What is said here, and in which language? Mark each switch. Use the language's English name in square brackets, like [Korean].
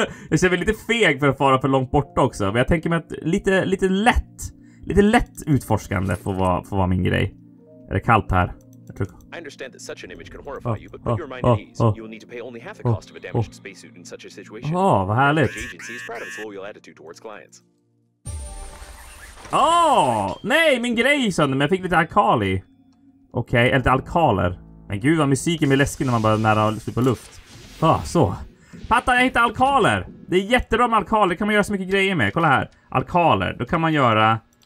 [Swedish] Jag ser väl lite feg för att fara för långt bort också. Men jag tänker mig att lite lätt utforskande får vara min grej. Är det kallt här? [English] I understand that such an image can horrify you, but put your mind at ease. You will need to pay only half the cost of a damaged spacesuit in such a situation. [Swedish] Vad härligt. [English] The agency is proud of its loyal attitude towards clients. [Swedish] Nej, min grej är sönder, men jag fick lite alkali. Okej, lite alkaler. Men gud vad musiken blir läskig när man bara nära slut på luft. Så. Patta, jag hittar alkaler. Det är jättebra med alkaler. Det kan man göra så mycket grejer med. Kolla här. Alkaler. Då kan man göra...